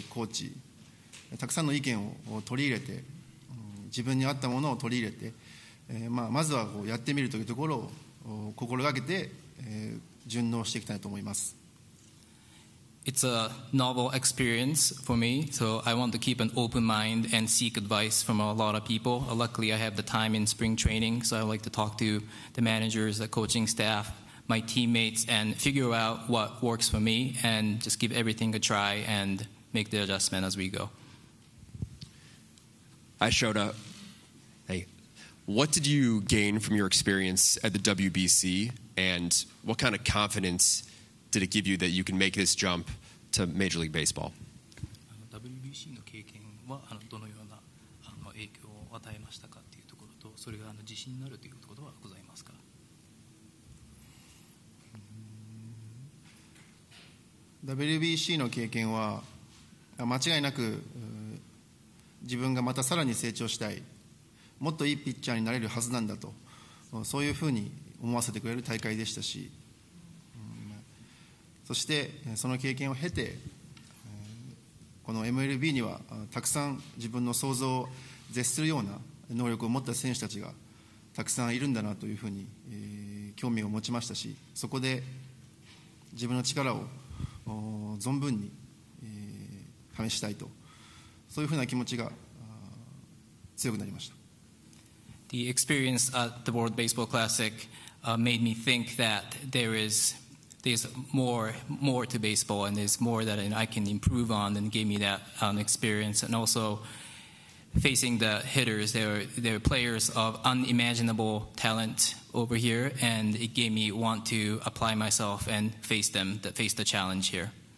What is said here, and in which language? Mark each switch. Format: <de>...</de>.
<ja>それにアジャストしていくというどのようなプランをお持ちでしょうか。初めての経験なので、とにかく周りの方からのアドバイスを聞き入れることが大事だと思うので、いろんな方にたくさん質問をして、スプリングトレーニングでも時間がたくさんあると思うので、チームメイト、そして監督、コーチ、たくさんの意見を取り入れて、自分に合ったものを取り入れて、まずはこうやってみるというところを心がけて、順応していきたいと思います。</ja> <en>It's a novel experience for me, so I want to keep an open mind and seek advice from a lot of people. Luckily, I have the time in spring training, so I like to talk to the managers, the coaching staff, my teammates, and figure out what works for me, and just give everything a try and make the adjustment as we go. I showed up. What did you gain from your experience at the WBC, and what kind of confidence did it give you that you can make this jump to Major League Baseball?</en> <ja>WBC の経験はどのような影響を与えましたかというところと、それが自信になるということはございますか。 WBC の経験は間違いなく自分がまたさらに成長したい。もっといいピッチャーになれるはずなんだと、そういうふうに思わせてくれる大会でしたし、そしてその経験を経て、この MLB にはたくさん自分の想像を絶するような能力を持った選手たちがたくさんいるんだなというふうに興味を持ちましたし、そこで自分の力を存分に試したいと、そういうふうな気持ちが強くなりました。</ja> <en>The experience at the World Baseball Classic made me think that there's more to baseball, and there's more that I can improve on, and gave me that experience. And also facing the hitters, they're players of unimaginable talent over here, and it gave me want to apply myself and face them, face the challenge here.</en>